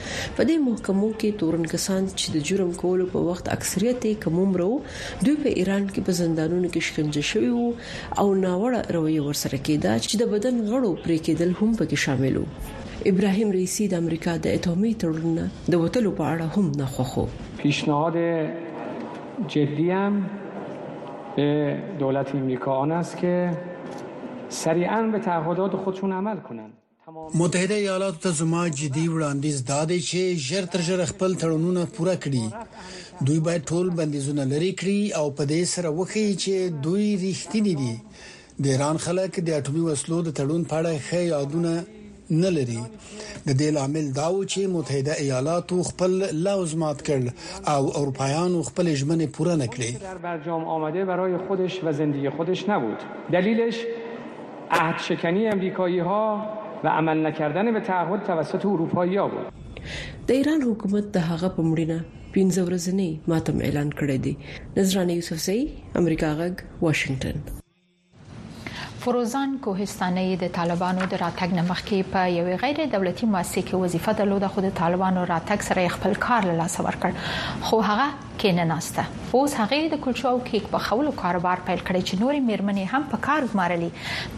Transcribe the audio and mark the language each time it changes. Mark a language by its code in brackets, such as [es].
[ps] په دې محکمو کې تورن کسان چې د جرم کولو په وخت اکثریت یې کمومره وو دوی په ایران کې په زندانونو کې شکنجه شوي وو او ناوړه رویه ورسره کېده چې د بدن غړو پرې کېدل هم پکې شامل وو. ابراهیم رئیسی د امریکا د اتومي تړونه د وتلو په اړه هم نه خوښو. [fa] پیشنهاد جدی هم به دولت امریکا آن است که سریعا به تعهدات خودشون عمل کنند. [ps] متحده ایالات ته زما جدی وړاندیز داده چې ژر تر ژره خپل تړونونه پوره کړي. دوی باید ټول بندیزونه لری کړي او په دې سره وخی چې دوی رښتینی دي. د ایران خلک د اټومي وسلو د تړون په اړه ښه یادونه نه لري. د دې لامل دا و چې متحده ایالاتو خپل لازمات کړل او اروپایانو خپل ژمنې پوره نه کړي. [fa] در برجام آمده برای خودش و زندگی خودش نبود. دلیلش عهد شکنی امریکایی ها و عمل نکردن به تعهد توسط اروپایی ها بود. [ps] د ایران حکومت د هغه په مړینه 15 ورځې ماتم اعلان کړی دی. نظرانه یوسف سی، امریکا غږ، واشنگتن. فروزان کوهستانه د طالبانو د راتګ نمخ کې په یو غیر دولتي مؤسسه کې وظیفه درلوده. خو د طالبانو راتګ سره خپل کار له لاسه ورکړ، خو هغه کې نه ناسته. اوس هغه د کلچو او کیک په خولو کاروبار پیل کړی چې نورې میرمنې هم په کار ګمارلې.